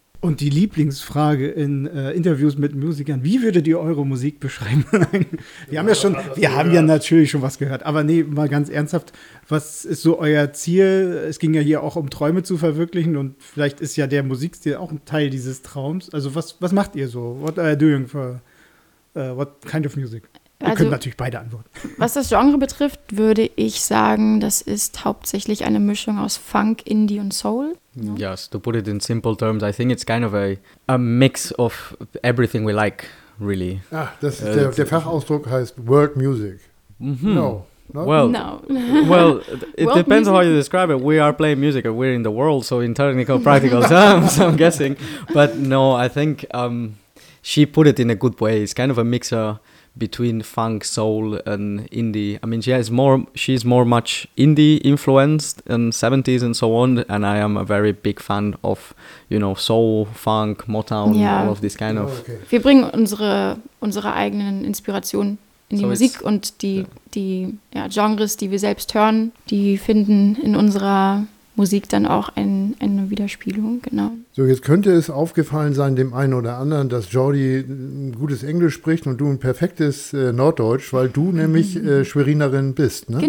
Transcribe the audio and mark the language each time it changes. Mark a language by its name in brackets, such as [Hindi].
[German] Und die Lieblingsfrage in Interviews mit Musikern, wie würdet ihr eure Musik beschreiben? Wir haben ja natürlich schon was gehört. Aber nee, mal ganz ernsthaft, was ist so euer Ziel? Es ging ja hier auch um Träume zu verwirklichen und vielleicht ist ja der Musikstil auch ein Teil dieses Traums. Also was macht ihr so? [English] What are you doing for, what kind of music? [German] Also, ihr könnt natürlich beide antworten. Was das Genre betrifft, würde ich sagen, das ist hauptsächlich eine Mischung aus Funk, Indie und Soul. [English] No? Yes, to put it in simple terms, I think it's kind of a mix of everything we like, really. [German] Ah, das ist der Fachausdruck heißt World Music. [English] Mm-hmm. No. Well, no. Well, it depends on how you describe it. We are playing music and we're in the world, so in technical, practical terms, I'm guessing. But no, I think she put it in a good way. It's kind of a mixer between funk, soul and indie. I mean, she's more indie influenced in 70s and so on, and I am a very big fan of, you know, soul, funk, Motown, yeah. All of this kind of. Okay. [German] Wir bringen unsere eigenen Inspirationen in die Musik und die Genres, die wir selbst hören, die finden in unserer Musik dann auch eine Widerspiegelung, genau. So, jetzt könnte es aufgefallen sein, dem einen oder anderen, dass Jordi ein gutes Englisch spricht und du ein perfektes Norddeutsch, weil du nämlich Schwerinerin bist, ne?